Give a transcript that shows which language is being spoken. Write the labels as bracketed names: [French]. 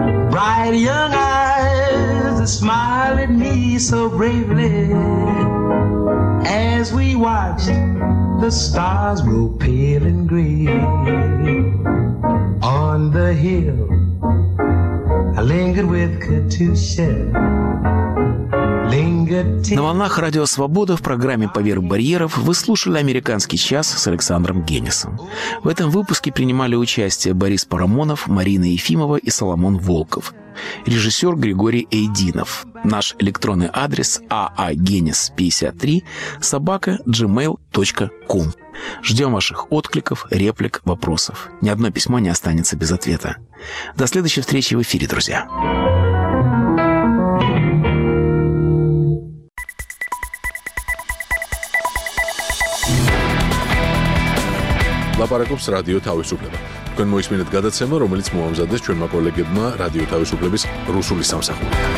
[English] Bright young eyes that smile at me so bravely as we watched the stars grow pale and gray. On the hill, I lingered with Katusha. [Russian] На волнах Радио Свобода в программе «Поверх барьеров» вы слушали «Американский час» с Александром Геннисом. В этом выпуске принимали участие Борис Парамонов, Марина Ефимова и Соломон Волков. Режиссер Григорий Эйдинов. Наш электронный адрес aagenis53@gmail.com. Ждем ваших откликов, реплик, вопросов. Ни одно письмо не останется без ответа. До следующей встречи в эфире, друзья. Лапарагობს радио თავისუფლება. [Georgian] Თქვენ მოისმინეთ გადაცემა, რომელიც მოამზადეს ჩვენმა კოლეგებმა რადიო თავისუფლების რუსული სამსახური.